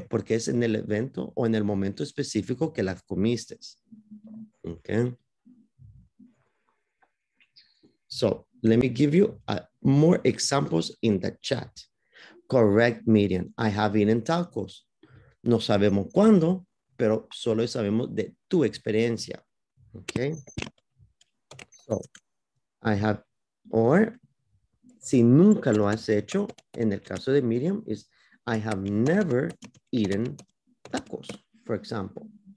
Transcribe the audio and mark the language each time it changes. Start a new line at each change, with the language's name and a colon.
Spanish: Porque es en el evento o en el momento específico que las comiste.
English: Okay. So, let me give you more examples in the chat. Correct, Miriam. I have eaten tacos.
Spanish: No sabemos cuándo, pero solo sabemos de tu experiencia.
English: Okay. So, I have, or,
Spanish: si nunca lo has hecho, en el caso de
English: Miriam, is I have never eaten tacos, for example.